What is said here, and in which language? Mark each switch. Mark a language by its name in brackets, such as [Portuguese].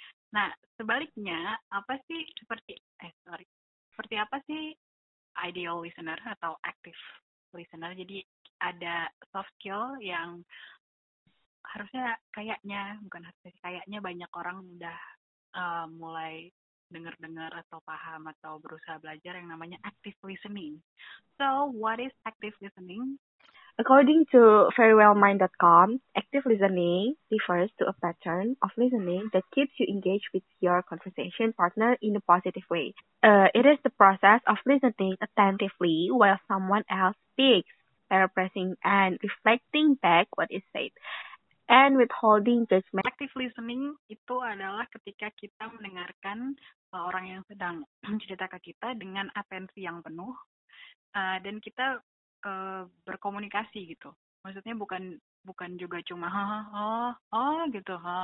[Indonesian] Nah, sebaliknya apa sih seperti apa sih ideal listener atau active listener? Jadi ada soft skill yang harusnya kayaknya bukan harusnya kayaknya banyak orang udah mulai dengar-dengar atau paham atau berusaha belajar yang namanya active listening. [English] So, what is active listening? According to verywellmind.com, active listening refers to a pattern of listening that keeps you engaged with your conversation partner in a positive way. It is the process of listening attentively while someone else speaks, paraphrasing and reflecting back what is said, and withholding judgment. [Indonesian] Active listening itu adalah ketika kita mendengarkan orang yang sedang cerita ke kita dengan atensi yang penuh, dan kita berkomunikasi gitu. Maksudnya bukan juga cuma gitu.